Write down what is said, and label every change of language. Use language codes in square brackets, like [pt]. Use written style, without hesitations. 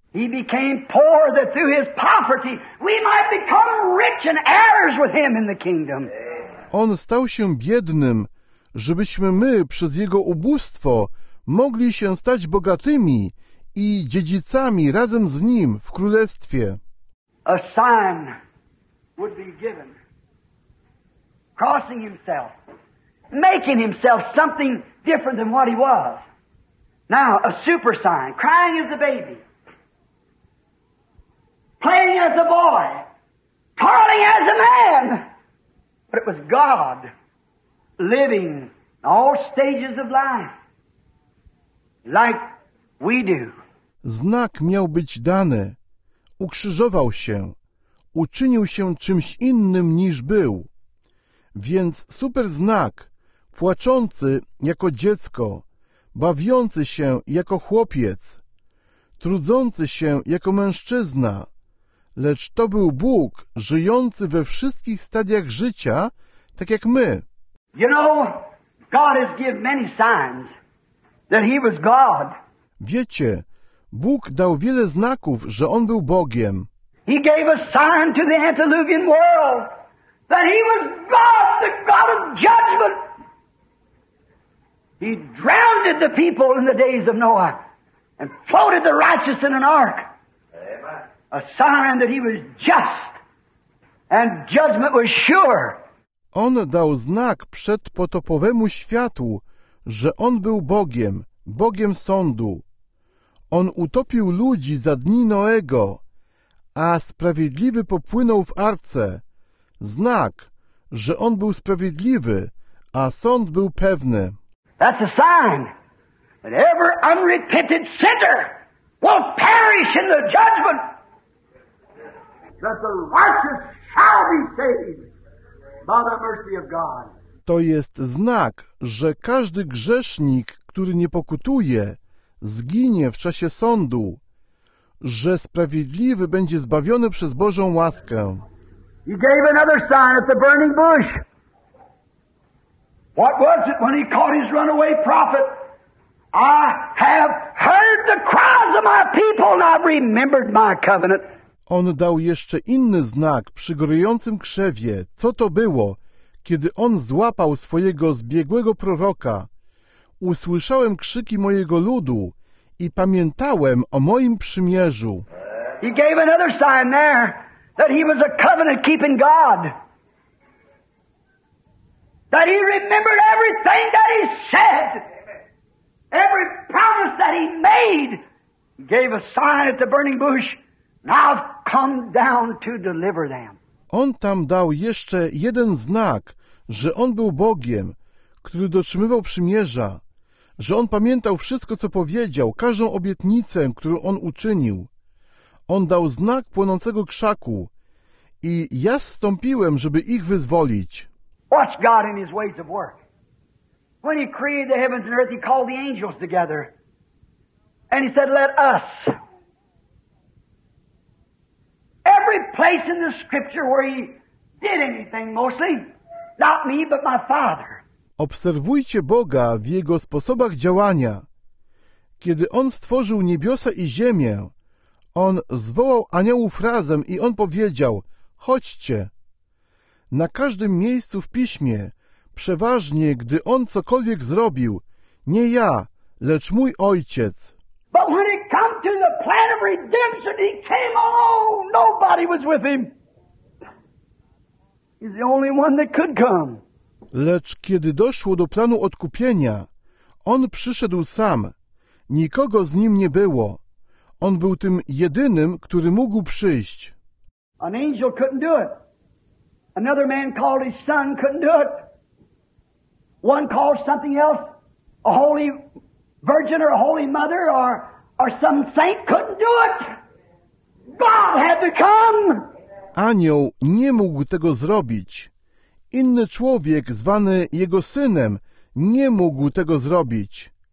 [en] He became poor that through his poverty we might become rich and heirs with him in the kingdom. [pl] On stał się biednym, żebyśmy my przez jego ubóstwo mogli się stać bogatymi i dziedzicami razem z nim w królestwie. [en] A sign would be given, crossing himself, making himself something different than what he was. Now, a super sign, crying as a baby, playing as a boy, toiling as a man. But it was God living all stages of life like we do. [pl] Znak miał być dany. Ukrzyżował się. Uczynił się czymś innym niż był. Więc super znak, płaczący jako dziecko, bawiący się jako chłopiec, trudzący się jako mężczyzna, lecz to był Bóg żyjący we wszystkich stadiach życia, tak jak my. [en] You know, God has given many signs that he was God. [pl] Wiecie, Bóg dał wiele znaków, że on był Bogiem. [en] He gave a sign to the antediluvian world that he was God, the God of judgment. He drowned the people in the days of Noah and floated the righteous in an ark. Amen. A sign that he was just and judgment was sure. [pl] On dał znak przedpotopowemu światu, że on był Bogiem, Bogiem sądu. On utopił ludzi za dni Noego, a sprawiedliwy popłynął w arce. Znak, że on był sprawiedliwy, a sąd był pewny. [en] That's a sign that every unrepented sinner will perish in the judgment. That the righteous shall be saved by the mercy of God. [pl] To jest znak, że każdy grzesznik, który nie pokutuje, zginie w czasie sądu, że sprawiedliwy będzie zbawiony przez Bożą łaskę. [en] He gave another sign at the burning bush. What was it when he caught his runaway prophet? I have heard the cries of my people and I've remembered my covenant. [pl] On dał jeszcze inny znak przy gryjącym krzewie. Co to było, kiedy on złapał swojego zbiegłego proroka? Usłyszałem krzyki mojego ludu i pamiętałem o moim przymierzu. [en] He gave another sign there that he was a covenant-keeping God. That he remembered everything that he said, every promise that he made, gave a sign at the burning bush, now I've come down to deliver them. [pl] On tam dał jeszcze jeden znak, że on był Bogiem, który dotrzymywał przymierza, że on pamiętał wszystko, co powiedział, każdą obietnicę, którą on uczynił. On dał znak płonącego krzaku i ja zstąpiłem, żeby ich wyzwolić. [en] Watch God in his ways of work. When he created the heavens and earth, he called the angels together. And he said, let us place in the Scripture where he did anything mostly. Not me, but my Father. [pl] Obserwujcie Boga w Jego sposobach działania. Kiedy On stworzył niebiosa i ziemię, On zwołał aniołów razem i On powiedział: chodźcie. Na każdym miejscu w Piśmie, przeważnie, gdy On cokolwiek zrobił, nie ja, lecz mój Ojciec. [en] But when it come to the plan of redemption, he came alone. Nobody was with him. He's the only one that could come. [pl] Lecz kiedy doszło do planu odkupienia, On przyszedł sam. Nikogo z Nim nie było. On był tym jedynym, który mógł przyjść. [en] An angel couldn't do it. Another man called his son couldn't do it. One called something else, a holy virgin or a holy mother or some saint couldn't do it. God had to come. [pl] Anioł nie mógł tego zrobić. Inny człowiek, zwany jego synem, nie mógł tego zrobić.